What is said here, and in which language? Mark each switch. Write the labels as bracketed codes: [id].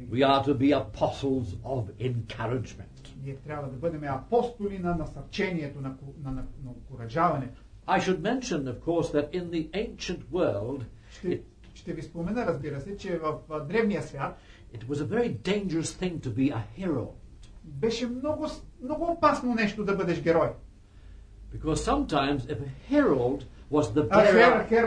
[en] We are to be apostles of encouragement. [bg] Ние трябва да бъдем апостоли на насърчението, на окуражаването. [en] I should mention, of course, that in the ancient world, [bg] ще ви спомена, разбира се, че в древния свят, [en] it was a very dangerous thing to be a hero. [bg] Беше много, много опасно нещо да бъдеш герой. [en] Because sometimes if a herald was the bearer,